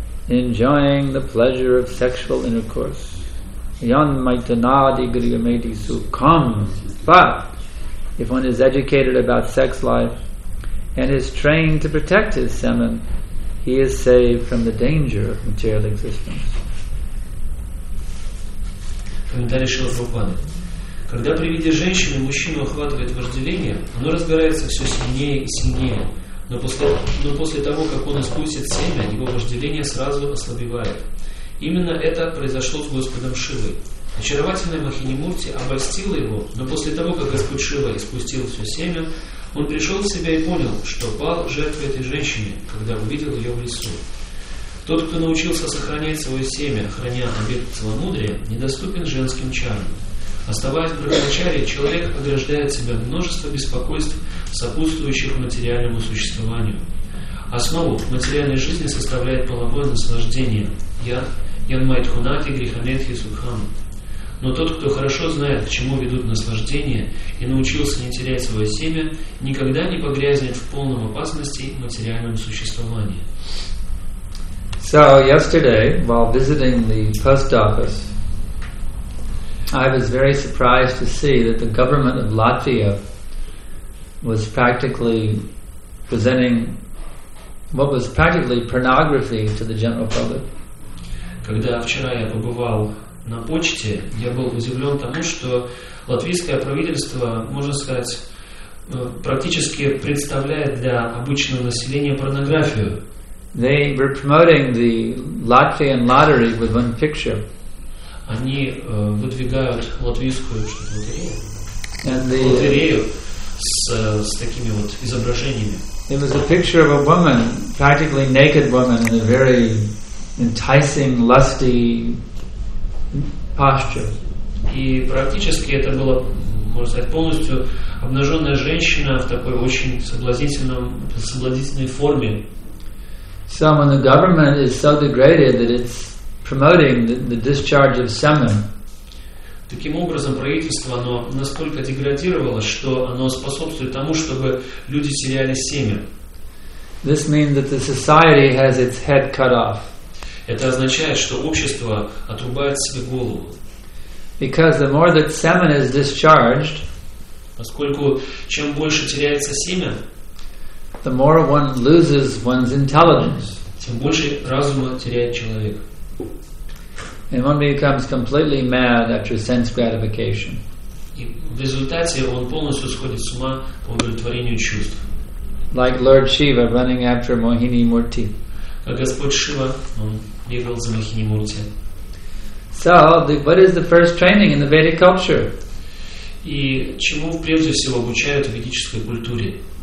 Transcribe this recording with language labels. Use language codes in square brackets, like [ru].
[en] enjoying the pleasure of sexual intercourse. But if one is educated about sex life and is trained to protect his semen, he is saved from the danger of material existence. [ru] Комментарий Шрила Прабхупады. Когда при виде женщины мужчину охватывает вожделение, оно разгорается все сильнее и сильнее. Но после того, как он испустит семя, его вожделение сразу ослабевает. Именно это произошло с Господом Шивой. Очаровательная Махинимурти обольстила его, но после того, как Господь Шива испустил все семя, он пришел в себя и понял, что пал жертвой этой женщине, когда увидел ее в лесу. Тот, кто научился сохранять свое семя, храня обет целомудрия, недоступен женским чарам. Оставаясь в брахмачарье, человек ограждает себя от множества беспокойств, сопутствующих материальному существованию. Основу материальной жизни составляет половое наслаждение. [sa] Янмайтхунати Гриханетхи Сухам. [ru] Но тот, кто хорошо знает, к чему ведут наслаждения, и научился не терять свое семя, никогда не погрязнет в полном опасности материальном существовании. [en] So yesterday, while visiting the post office, I was very surprised to see that the government of Latvia was practically presenting what was practically pornography to the general public. [ru] Когда вчера я побывал на почте, я был удивлен тому, что латвийское правительство, можно сказать, практически представляет для обычного населения порнографию. [en] They were promoting the Latvian lottery with one picture. [ru] Они выдвигают латвийскую лотерею с такими вот изображениями. [en] It was a picture of a woman, practically naked woman, in a very enticing, lusty posture. [ru] И практически это было, можно сказать, полностью обнаженная женщина в такой очень соблазнительной форме. [en] So when the government is so degraded that it's promoting the discharge of semen. [ru] Таким образом, правительство, оно настолько деградировало, что оно способствует тому, чтобы люди теряли семя. [en] This means that the society has its head cut off. [ru] Это означает, что общество отрубает себе голову. [en] Because the more that semen is discharged, [ru] поскольку чем больше теряется семя, [en] the more one loses one's intelligence. [ru] Тем больше разума теряет человек. [en] And one becomes completely mad after sense gratification. [ru] И в результате он полностью сходит с ума по удовлетворению чувств. [en] Like Lord Shiva running after Mohini Murti. [ru] Как Господь Шива, он бегал за Мохини Мурти. [en] So, what is the first training in the Vedic culture? [ru] И чему прежде всего обучают в ведической культуре?